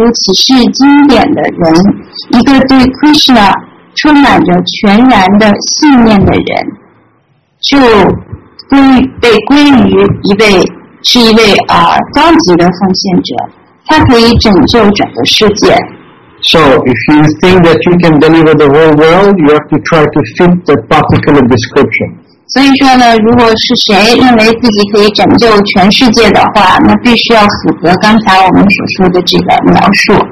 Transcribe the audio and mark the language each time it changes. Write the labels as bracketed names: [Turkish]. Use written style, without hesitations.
[Chinese] 就比如说第一类这个当时的奉献者呢是这样说的，就是一个精于逻辑、论辩，以及对暗熟启示经典的人，一个对 Krishna 充满着全然的信念的人，就归被归于一位是一位高级的奉献者，他可以拯救整个世界。 [English] So, if you think that you can deliver the whole world, you have to try to fit the particular description. [Chinese] 所以说呢，如果是谁认为自己可以拯救全世界的话，那必须要符合刚才我们所说的这个描述。